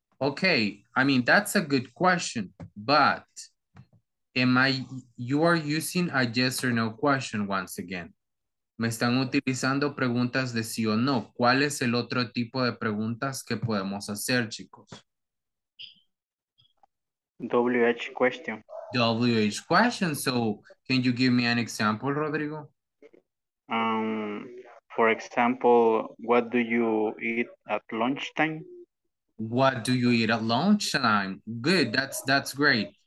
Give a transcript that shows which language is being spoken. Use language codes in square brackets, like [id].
[en] Okay, I mean, that's a good question, but you are using a yes or no question once again. [es] Me están utilizando preguntas de sí o no. ¿Cuál es el otro tipo de preguntas que podemos hacer, chicos? [en] WH question. WH question. So, can you give me an example, Rodrigo? For example, what do you eat at lunchtime? What do you eat at lunchtime? Good, that's great.